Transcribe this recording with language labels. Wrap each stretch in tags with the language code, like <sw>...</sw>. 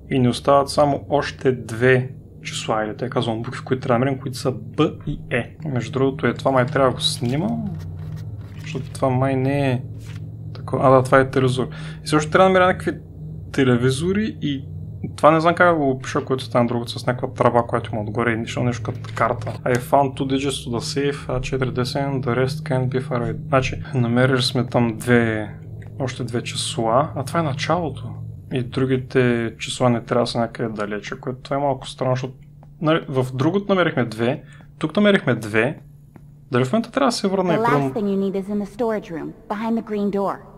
<bg>И ни остават само още две числа, или те казвам букви, които трябва да мерим, които са Б и Е. Между другото, е това май трябва да го снимам. Защото това май не е... Такова... А да, това е телевизор. И също трябва да намеря някакви телевизори и... Това не знам как го опиша, което стане друго с някаква тръба, която има отгоре и нещо нещо като карта.</bg> <en>I found 2 digits to the safe, A4D7, the rest can't be far away.</en> <bg>Значи, намерили сме там още две числа, а това е началото. И другите числа не трябва да са някъде далече, което това е малко странно, защото... Нали, в другото намерихме две, тук намерихме две, дали в момента трябва да се върна и към...</bg> <en>The last thing you need is in the storage room, behind the green door.</en>